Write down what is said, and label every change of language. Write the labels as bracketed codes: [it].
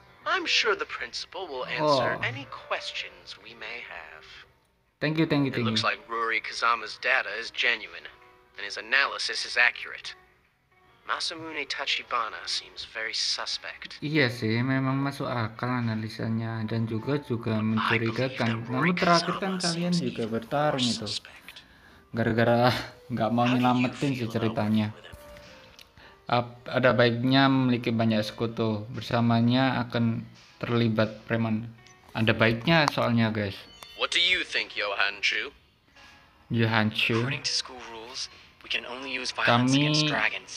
[en] I'm sure the principal will answer any questions we may have. Thank you. It looks like Ruri Kazama's data is genuine, and his analysis is accurate. Masamune Tachibana seems very suspect. [id] Iya sih, memang masuk akal analisanya, dan juga mencurigakan. Namun terakhir kan kalian juga bertarung itu. Gara-gara gak mau nyelamatin sih ceritanya. Ada baiknya memiliki banyak sekutu, bersamanya akan terlibat preman. Ada baiknya soalnya, guys. [en] What do you think, Johan Chu? Johan Chu. According to school rules, we can only use violence against dragons.